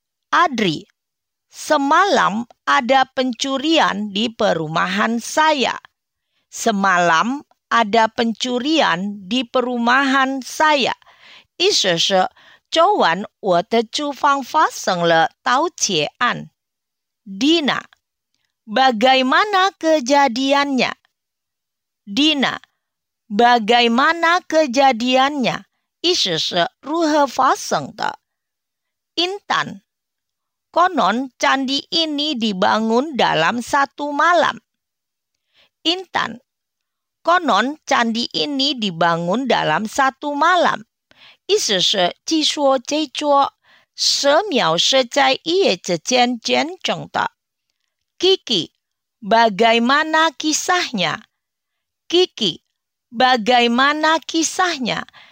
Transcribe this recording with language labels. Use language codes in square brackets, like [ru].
[id] Adri,Semalam ada pencurian di perumahan saya. Semalam ada pencurian di perumahan saya. [zh] 意思是昨晚我的住房发生了盗窃案。 [id] Dina, bagaimana kejadiannya? Dina, bagaimana kejadiannya? [zh] 意思是如何发生的。 [id] Intan,Konon candi ini dibangun dalam satu malam. Intan, konon candi ini dibangun dalam satu malam. [zh] 意思是据说这座寺庙是在一夜之间建成的。 [id] Kiki, bagaimana kisahnya? Kiki, bagaimana kisahnya?